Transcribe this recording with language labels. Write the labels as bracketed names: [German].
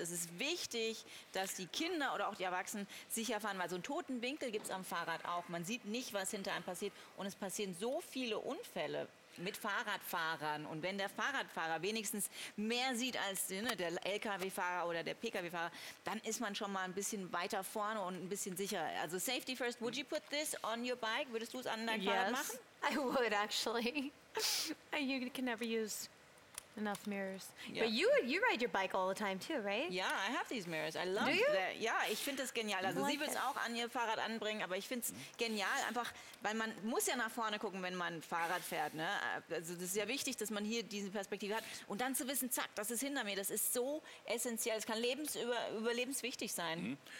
[German] Es ist wichtig, dass die Kinder oder auch die Erwachsenen sicher fahren, weil so einen toten Winkel gibt es am Fahrrad auch. Man sieht nicht, was hinter einem passiert und es passieren so viele Unfälle mit Fahrradfahrern. Und wenn der Fahrradfahrer wenigstens mehr sieht als der LKW-Fahrer oder der PKW-Fahrer, dann ist man schon mal ein bisschen weiter vorne und ein bisschen sicherer. [English] Also safety first, would you put this on your bike? [German] Würdest du es an deinem Fahrrad machen? [English] I would actually. You can never use enough mirrors. Yeah. But you ride your bike all the time too, right? Yeah, I have these mirrors. I love that. [German] Yeah, ich finde das genial. Also sie will es auch an ihr Fahrrad anbringen, aber ich finde es genial, einfach, weil man muss ja nach vorne gucken, wenn man Fahrrad fährt. Ne? Also das ist ja wichtig, dass man hier diese Perspektive hat. Und dann zu wissen, zack, das ist hinter mir. Das ist so essentiell. Es kann überlebenswichtig sein.